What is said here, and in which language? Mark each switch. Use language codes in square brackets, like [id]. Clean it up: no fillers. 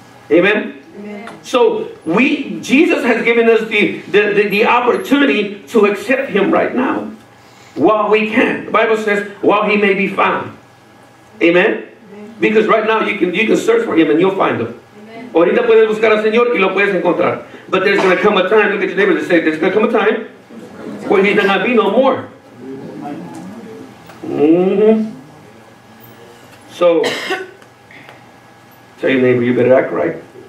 [en] Amen? So Jesus has given us the opportunity to accept him right now while we can. The Bible says, while he may be found. Amen? Amen. Because right now you can search for him and you'll find him. [es] Ahorita puedes buscar al Señor y lo puedes encontrar. [en] But there's going to come a time, look at your neighbor and say, there's going to come a time where he's going to be no more. Mm-hmm. So, tell your neighbor, you better act right.